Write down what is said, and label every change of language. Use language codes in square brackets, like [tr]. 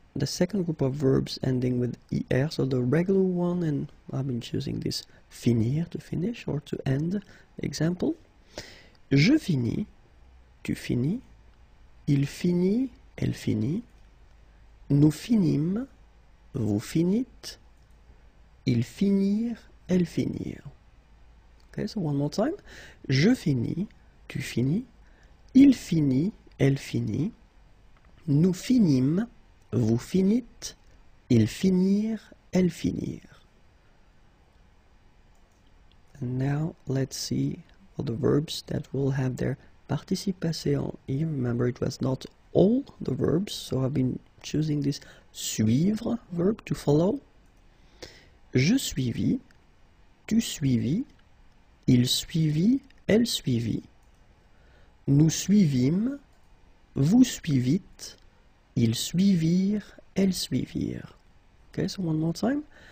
[en] the second group of verbs ending with er, so the regular one, and I've been choosing this finir to finish or to end example. [fr] Je finis, tu finis, il finit, elle finit, nous finîmes, vous finîtes, ils finirent, elles finirent. [en] Okay, so one more time. [fr] Je finis, tu finis, il finit, elle finit, nous finîmes, vous finîtes, ils finirent, elles finirent. [en] And now let's see all the verbs that will have their participe passé en I. Remember, it was not all the verbs, so I've been choosing this suivre verb to follow. [fr] Je suivis, tu suivis, il suivit, elle suivit. Nous suivîmes, vous suivîtes, ils suivirent, elles suivirent. [en] Okay, so one more time.